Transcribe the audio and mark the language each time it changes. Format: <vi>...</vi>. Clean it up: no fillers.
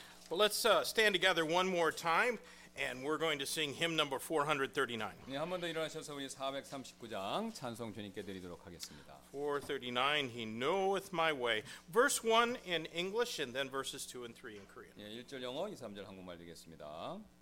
<en>Let's stand together one more time, and we're going to sing hymn number 439.</en> <ko>네, 한 번 더 일어나셔서 우리 439장 찬송 주님께 드리도록 하겠습니다.</ko> <en>439, He knoweth my way. Verse 1 in English, and then verses 2 and 3 in Korean.</en> <ko>네, 1절 영어, 2, 3절 한국말 되겠습니다.</ko>